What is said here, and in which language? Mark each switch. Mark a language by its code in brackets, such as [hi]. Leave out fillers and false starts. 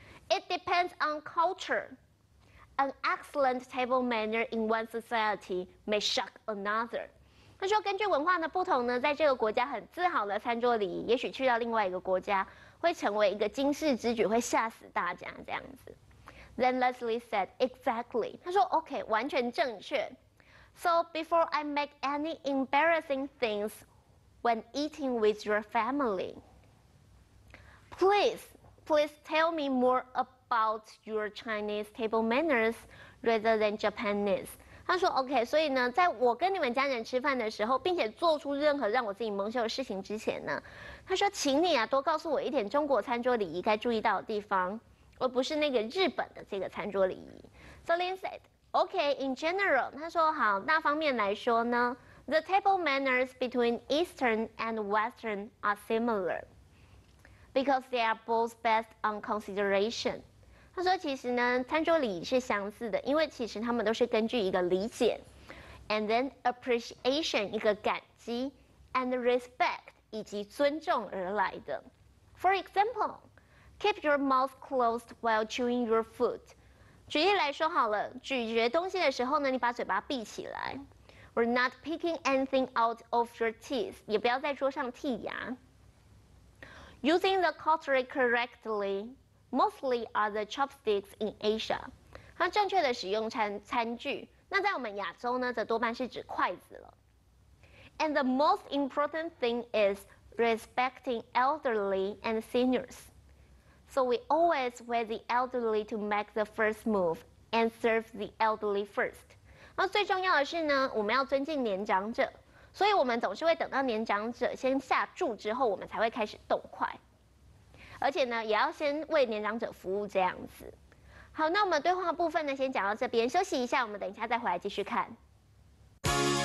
[en] It depends on culture. An excellent table manner in one society may shock another. [zh] 他说根据文化的不同呢，在这个国家很自豪的餐桌礼仪，也许去到另外一个国家会成为一个惊世之举，会吓死大家这样子。 [en] Then Leslie said, exactly. [zh] 他说 OK, 完全正确。 [en] So before I make any embarrassing things when eating with your family, please tell me more about your Chinese table manners rather than Japanese. [zh] 他说 OK, 所以呢，在我跟你们家人吃饭的时候，并且做出任何让我自己蒙羞的事情之前呢，他说请你啊，多告诉我一点中国餐桌礼仪该注意到的地方，而不是那个日本的这个餐桌礼仪。 [en] So Lin said, OK, in general, [zh] 他说好，那方面来说呢， [en] the table manners between Eastern and Western are similar because they are both based on consideration. [zh] 他说其实呢，餐桌礼仪是相似的，因为其实他们都是根据一个理解， [en] and then appreciation, [zh] 一个感激， [en] and respect, [zh] 以及尊重而来的。 [en] For example,Keep your mouth closed while chewing your food. [zh] 举例来说好了，咀嚼东西的时候呢，你把嘴巴闭起来。 [en] Or not picking anything out of your teeth. [zh] 也不要在桌上剔牙。 [en] Using the cutlery correctly, mostly are the chopsticks in Asia. [zh] 它正确的使用餐具，那在我们亚洲呢，则多半是指筷子了。 [en] And the most important thing is respecting elderly and seniors. So we always wait the elderly to make the first move and serve the elderly first. [zh] 那最重要的是呢，我们要尊敬年长者，所以我们总是会等到年长者先下注之后，我们才会开始动筷。而且呢，也要先为年长者服务这样子。好，那我们对话部分呢，先讲到这边，休息一下，我们等一下再回来继续看。